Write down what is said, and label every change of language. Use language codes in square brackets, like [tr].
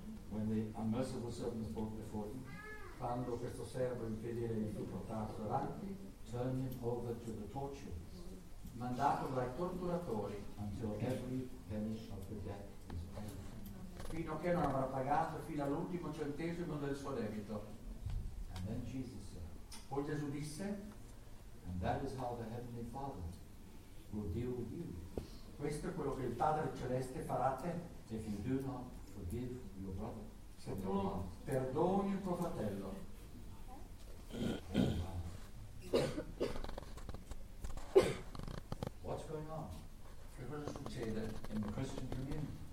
[en] When the unmerciful servant was brought before him, [it] quando questo servo infedele gli fu portato davanti, [en] turn him over to the torturers, [it] mandato dai torturatori, [en] until every penny of the debt is paid. [it] Fino a che non avrà pagato fino all'ultimo centesimo del suo debito. [en] And then Jesus said, [it] poi Gesù disse, [en] and that is how the Heavenly Father will deal with you. [it] Questo è quello che il Padre Celeste farà a te. [en] If you do not forgive your brother, [it] se tu non perdoni il tuo fratello, [en] What's going on? [it] Che cosa succede [en] in the Christian community?